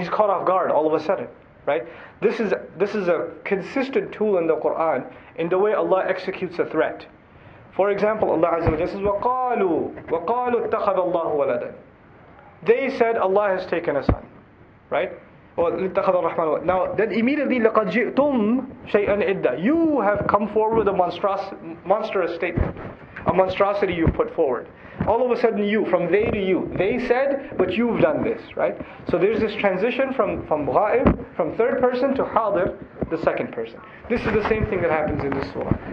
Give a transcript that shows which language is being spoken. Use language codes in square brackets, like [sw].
[en] He's caught off guard all of a sudden, right? This is a consistent tool in the Quran in the way Allah executes a threat. For example, Allah Azza wa Jalla says, [ar] وَقَالُوا اتَّخَذَ اللَّهُ وَلَدًا. [en] They said, Allah has taken a son, right? [ar] وَلِتَّخَذَ الرَّحْمَنُ وَلَدًا. [en] Now, then immediately, [ar] لَقَدْ جِئْتُمْ شَيْئًا إِدَّا. [en] You have come forward with a monstrous statement. A monstrosity you've put forward. All of a sudden you, from they to you. They said, but you've done this, right? So there's this transition from غائب, from third person to حاضر, the second person. This is the same thing that happens in this surah.